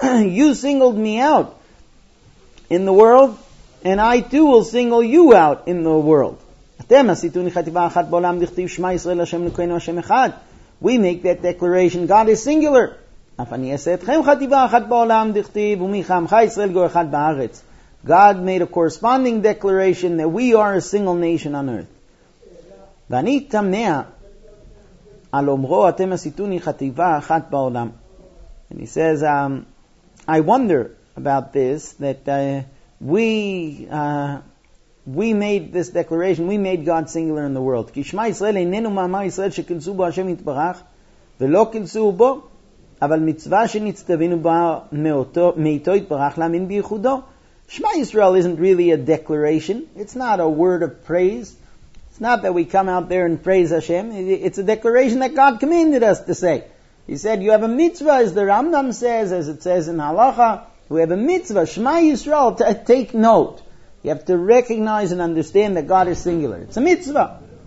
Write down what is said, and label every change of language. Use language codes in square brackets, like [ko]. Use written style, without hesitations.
[en] You singled me out in the world, and I too will single you out in the world. [he] אתם עשיתו נחתיבה אחת בעולם לכתיב שמה ישראל השם נקוינו השם אחד. [en] We make that declaration, God is singular. [he] אף אני אעשה אתכם חתיבה אחת בעולם דכתיב, ומחמך ישראל גו אחד בארץ. [en] God made a corresponding declaration that we are a single nation on earth. [he] ואני תמה על אומרו, אתם עשיתוני חתיבה אחת בעולם. [en] And he says, I wonder about this, that we made this declaration, we made God singular in the world. [he] כי שמה ישראל איננו מאמר ישראל שכנסו בו השם יתברך, ולא כנסו בו, אבל מצווה שנצטווינו בה מאותו יתברך להאמין בייחודו. [en] Shema Yisrael isn't really a declaration. It's not a word of praise. It's not that we come out there and praise Hashem. It's a declaration that God commanded us to say. He said, you have a mitzvah, as the Rambam says, as it says in Halacha. We have a mitzvah. Shema Yisrael, take note. You have to recognize and understand that God is singular. It's a mitzvah.